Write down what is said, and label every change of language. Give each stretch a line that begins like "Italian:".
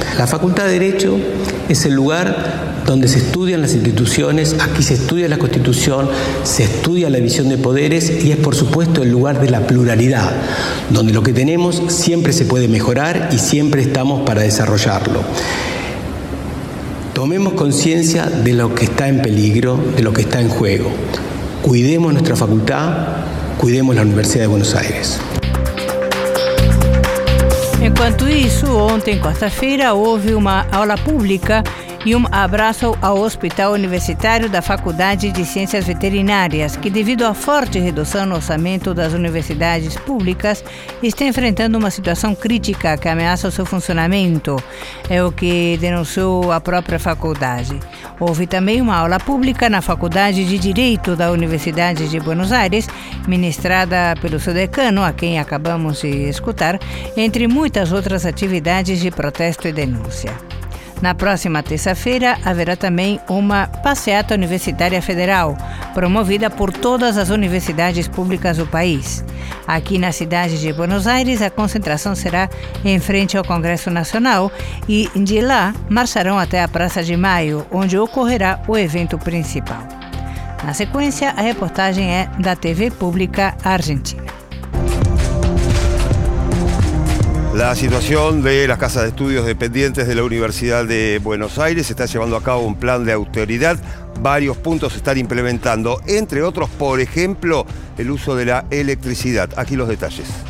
Spanish: La Facultad de Derecho es el lugar donde se estudian las instituciones, aquí se estudia la Constitución, se estudia la división de poderes y es, por supuesto, el lugar de la pluralidad, donde lo que tenemos siempre se puede mejorar y siempre estamos para desarrollarlo. Tomemos conciencia de lo que está en peligro, de lo que está en juego. Cuidemos nuestra facultad, cuidemos la Universidad de Buenos Aires. En cuanto a eso,
Portuguese: ontem,
Spanish: en
Portuguese: quarta-feira, houve
Spanish: una
Portuguese: aula pública e um abraço ao Hospital Universitário da Faculdade de Ciências Veterinárias, que devido à forte redução no orçamento das universidades públicas, está enfrentando uma situação crítica que ameaça o seu funcionamento. É o que denunciou a própria faculdade. Houve também uma aula pública na Faculdade de Direito da Universidade de Buenos Aires, ministrada pelo seu decano, a quem acabamos de escutar, entre muitas outras atividades de protesto e denúncia. Na próxima terça-feira, haverá também uma Passeata Universitária Federal, promovida por todas as universidades públicas do país. Aqui na cidade de Buenos Aires, a concentração será em frente ao Congresso Nacional e, de lá, marcharão até a Praça de Maio, onde ocorrerá o evento principal. Na sequência, a reportagem é da TV Pública Argentina.
Spanish: La situación de las casas de estudios dependientes de la Universidad de Buenos Aires está llevando a cabo un plan de austeridad. Varios puntos se están implementando, entre otros, por ejemplo, el uso de la electricidad. Aquí los detalles.